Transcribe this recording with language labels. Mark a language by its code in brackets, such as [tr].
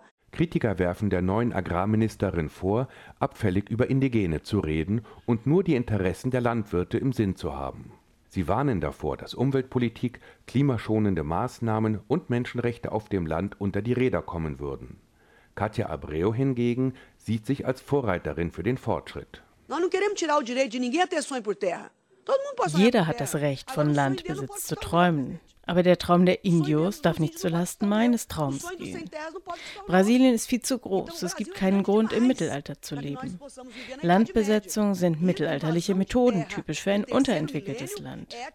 [de] Kritiker werfen der neuen Agrarministerin vor, abfällig über Indigene zu reden und nur die Interessen der Landwirte im Sinn zu haben. Sie warnen davor, dass Umweltpolitik, klimaschonende Maßnahmen und Menschenrechte auf dem Land unter die Räder kommen würden. Katia Abreu hingegen sieht sich als Vorreiterin für den Fortschritt. [pt] Nós não queremos tirar o direito de ninguém a ter sonho por terra. [de] Jeder hat das Recht, von Landbesitz zu träumen. Aber der Traum der Indios darf nicht zulasten meines Traums gehen. Brasilien ist viel zu groß. Es gibt keinen Grund, im Mittelalter zu leben. Landbesetzungen sind mittelalterliche Methoden, typisch für ein unterentwickeltes Land.